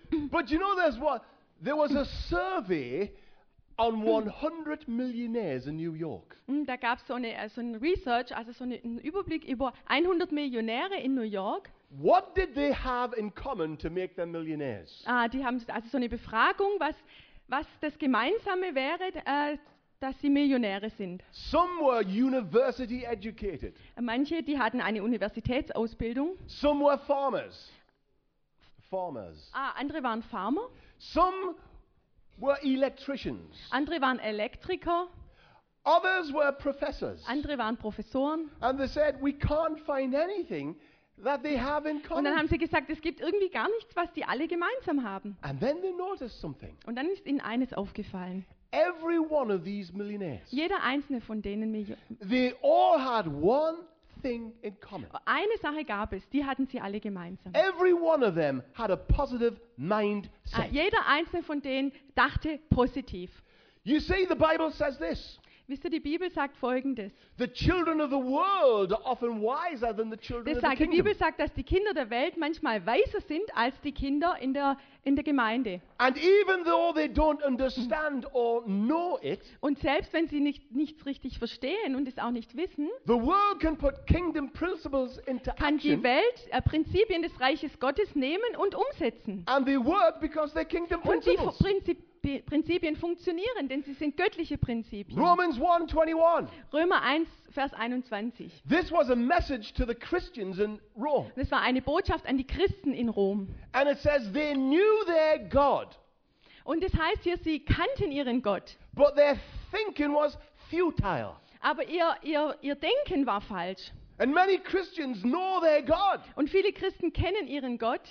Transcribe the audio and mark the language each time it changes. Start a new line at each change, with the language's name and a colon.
English: But you know, there was a survey on 100 millionaires in New York.
German: Da gab es so eine Research, also so einen Überblick über 100 Millionäre in New York.
English: What did they have in common to make them millionaires?
German: Ah, die haben also so eine Befragung, was das Gemeinsame wäre, dass sie Millionäre sind.
English: Some were university educated.
German: Manche, die hatten eine Universitätsausbildung.
English: Some were farmers. Farmers.
German: Ah, andere waren Farmer.
English: Some were electricians.
German: Andere waren Elektriker.
English: Others were professors.
German: Andere waren Professoren.
English: And they said, we can't find anything that they have in common.
German: Und dann haben sie gesagt, es gibt irgendwie gar nichts, was die alle gemeinsam haben.
English: And then they noticed something.
German: Und dann ist ihnen eines aufgefallen.
English: Every one of these millionaires.
German: Jeder einzelne von denen.
English: They all had one thing in common.
German: Eine Sache gab es, die hatten sie alle gemeinsam.
English: Every one of them had a positive mindset.
German: Jeder einzelne von denen dachte positiv.
English: You see, the Bible says this.
German: Wisst ihr, die Bibel sagt Folgendes.
English: The children of the world are often wiser than the children of the kingdom.
German: Die Bibel sagt, dass die Kinder der Welt manchmal weiser sind als die Kinder in der Gemeinde.
English: And even though they don't understand or know it.
German: Und selbst wenn sie nichts richtig verstehen und es auch nicht wissen.
English: The world can put kingdom principles into action.
German: Kann die Welt Prinzipien des Reiches Gottes nehmen und umsetzen.
English: And they work because they're kingdom principles.
German: Und Prinzipien funktionieren, denn sie sind göttliche Prinzipien.
English: Romans 1:21.
German: Römer 1, Vers 21.
English: This was a message to the Christians in Rome.
German: Das war eine Botschaft an die Christen in Rom.
English: And it says they knew their God.
German: Und es heißt hier, sie kannten ihren Gott.
English: But their thinking was futile.
German: Aber ihr Denken war falsch.
English: And many Christians know their God.
German: Und viele Christen kennen ihren Gott.